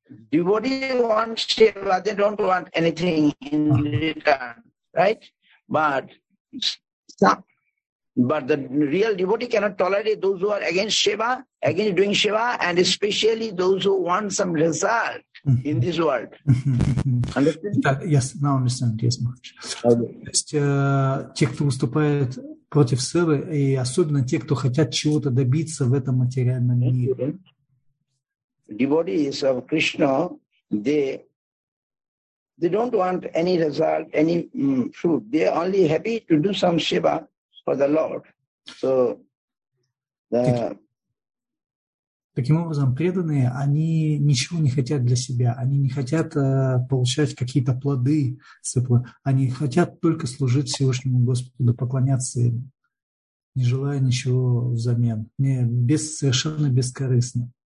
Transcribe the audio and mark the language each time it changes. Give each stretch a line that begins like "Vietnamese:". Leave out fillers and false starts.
English: Devotee wants seva, they don't want anything in return, right? But the real devotee cannot tolerate those who are against seva, against doing seva, and especially those who want some result in this world. Understand? Yes, now understand. Yes, much.
Russian: Okay. То есть те, кто выступает против севы, и особенно те, кто хотят чего-то добиться в этом материальном мире.
English: Devotees of Krishna, they don't want any result, any fruit. They are only happy to do some seva for the Lord. So
Russian: таким образом, преданные, они ничего не хотят для себя, они не хотят получать какие-то плоды, они хотят только служить Всевышнему Господу, поклоняться им, не желая ничего взамен, совершенно бескорыстно.